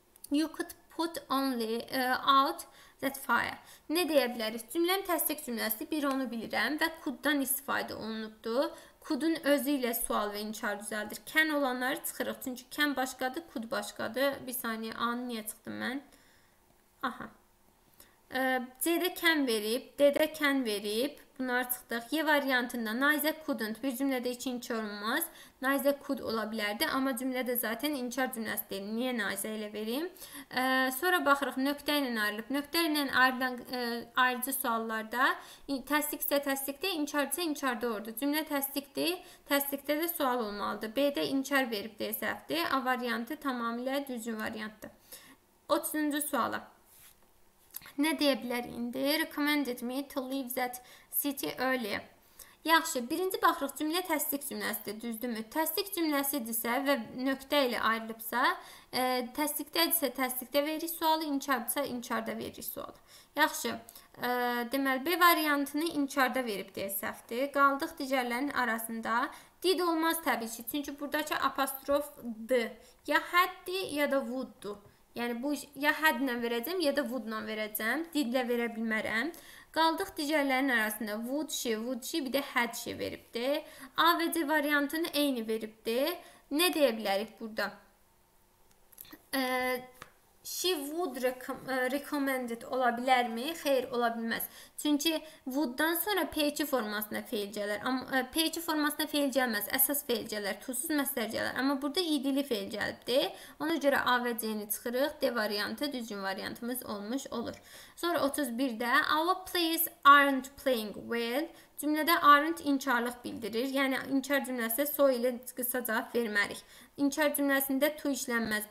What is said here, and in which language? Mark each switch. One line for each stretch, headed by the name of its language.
English: You could put only out that fire.
Azerbaijani: Nə deyə bilərik? Cümlənin təsdiq cümləsidir. Bir onu bilirəm və could-dan istifadə olunubdur. Could-un özü ilə sual və inkar düzəldir. Can olanları çıxırıq. Çünki can başqadır, could başqadır. Bir saniyə, anı niyə çıxdım mən? Aha. C-də can verib, D-də can verib. Bunlar çıxdıq. Y variantında Nayza couldn't. Bir cümlədə iki inkar olmaz. Nayza could ola bilərdi. Amma cümlədə zaten inkar cümləsi deyil. Niyə Nayza ilə verim? Sonra baxırıq. Nöqtə ilə ayrılıb. Nöqtə ilə ayrılan ayrıcı suallarda təsdiq isə təsdiqdə, inkar isə inkarda ordu. Cümlə təsdiqdir. Təsdiqdə də sual olmalıdır. B-də inkar verib deyə səhvdir. A variantı tamamilə düzgün variantdır. 30-cu suala. Nə deyə bilər indi?
English: Recommended me to leave that city early.
Azerbaijani: Yaxşı, birinci baxırıq cümlə təsdiq cümləsidir, düzdürmü? Təsdiq cümləsidirsə və nöqtə ilə ayrılıbsa, təsdiqdədirsə təsdiqdə verir sualı, inkardırsa inkarda verir sualı. Yaxşı, deməli B variantını inkarda verib deyə səhvdir. Qaldıq digərlərin arasında. Did olmaz təbii ki, çünki buradakı apostrofdır. Ya had-di, ya da would-du. Yəni, bu ya had ilə verəcəm, ya da would ilə verəcəm. Did ilə verə bilmərəm. Qaldıq digərlərin arasında would she, would she, bir də had she veribdir. A və C variantını eyni veribdir. Nə deyə bilərik burada?
English: She would recommended
Azerbaijani: ola bilərmi? Xeyr, ola bilməz. Çünki would-dan sonra P2 formasına feil gələr. P2 formasına feil gəlməz. Əsas feil gələr. Tuzsuz məsdər gələr. Amma burada idili feil gəlibdir. Ona görə A və C-ni çıxırıq. D variantı, düzgün variantımız olmuş olur. Sonra 31-də
English: Our players aren't playing well.
Azerbaijani: Cümlədə aren't inkarlıq bildirir. Yəni, inkar cümləsində so ilə qısa cavab vermərik. İnkar cümləsində to işlənməz.